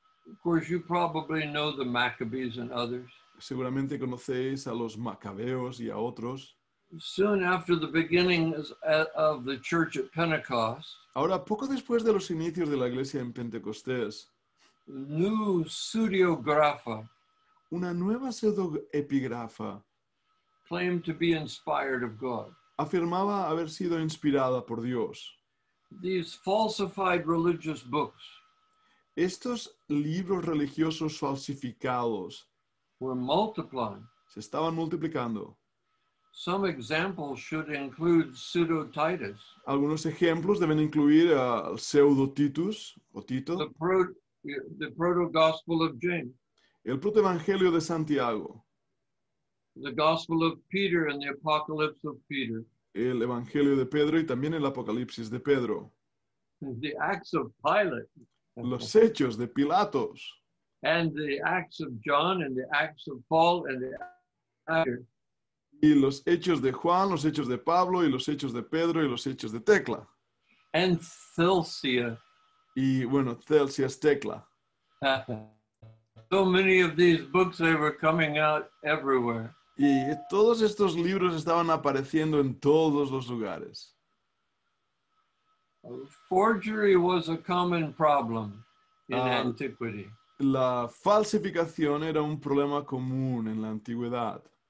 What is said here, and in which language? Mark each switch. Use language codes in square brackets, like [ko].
[en] Of course, you probably know the Maccabees and others. [es] Seguramente conocéis a los Macabeos y a otros. [en] Soon after the beginning of the church at Pentecost. [es] Ahora, poco después de los inicios de la iglesia en Pentecostés. [en] New pseudographa. [es] Una nueva pseudoepigrafa. [en] Claimed to be inspired of God. [es] Afirmaba haber sido inspirada por Dios. [en] These falsified religious books. [es] Estos libros religiosos falsificados. [en] Were multiplying. [es] Se estaban multiplicando. [en] Some examples should include Pseudo-Titus. [es] Algunos ejemplos deben incluir al Pseudo-Titus o Tito. [en] The Proto-Gospel of James. [es] El Proto-Evangelio de Santiago. [en] The Gospel of Peter and the Apocalypse of Peter. [es] El Evangelio de Pedro y también el Apocalipsis de Pedro. [en] The Acts of Pilate. [es] Los Hechos de Pilatos. [en] And the Acts of John and the Acts of Paul and the Acts. [es] Y los Hechos de Juan, los Hechos de Pablo y los Hechos de Pedro y los Hechos de Tecla. [en] And Celsia. [es] Y bueno, Celsia es Tecla. [en] So many of these books, they were coming out everywhere. [es] Y todos estos libros estaban apareciendo en todos los lugares. [en] Forgery was a common problem in antiquity. [es] La falsificación era un problema común en la antigüedad.